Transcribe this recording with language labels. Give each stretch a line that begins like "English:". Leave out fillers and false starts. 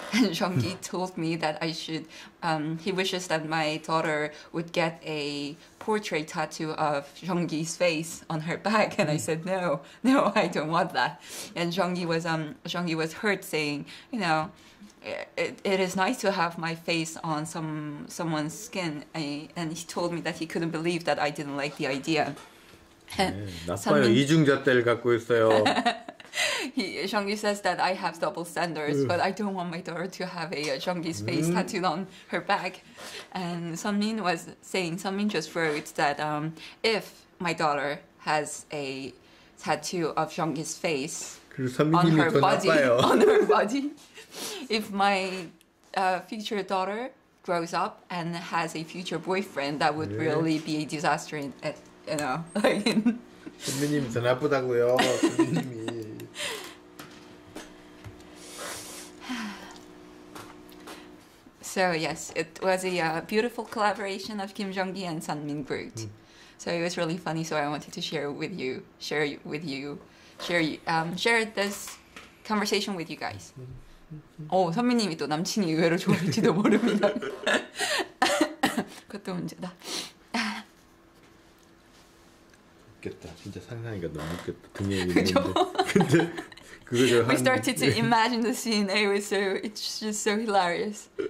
English: And Jeongi told me that I should, he wishes that my daughter would get a portrait tattoo of Jeongi's face on her back. And I said, no, I don't want that. And Jeongi was hurt, saying, you know, it is nice to have my face on someone's skin. And he told me that he couldn't believe that I didn't like the idea.
Korean: 나빠요, 이중잣대를 갖고 있어요.
English: Jeongi says that I have double standards, but I don't want my daughter to have a Jeongi's face tattooed on her back. And Sunmin was saying, Sunmin just wrote that if my daughter has a tattoo of Jeongi's face on her body, if my future daughter grows up and has a future boyfriend, that would really be a disaster, you know.
Korean: 선미님 더 나쁘다고요. 선미님이.
English: So yes, it was a beautiful collaboration of Kim Jeongi and Sunmin Groot. So it was really funny. So I wanted to share this conversation with you guys.
Korean: 오 선미님이 또 남친이 의외로 좋을지도 모릅니다. 그것도 문제다. 웃겠다. 진짜 상상이가 너무 웃겼다. 등에 있는데. 근데 그거 저 한.
English: We started to imagine the scene. It was so. It's just so hilarious.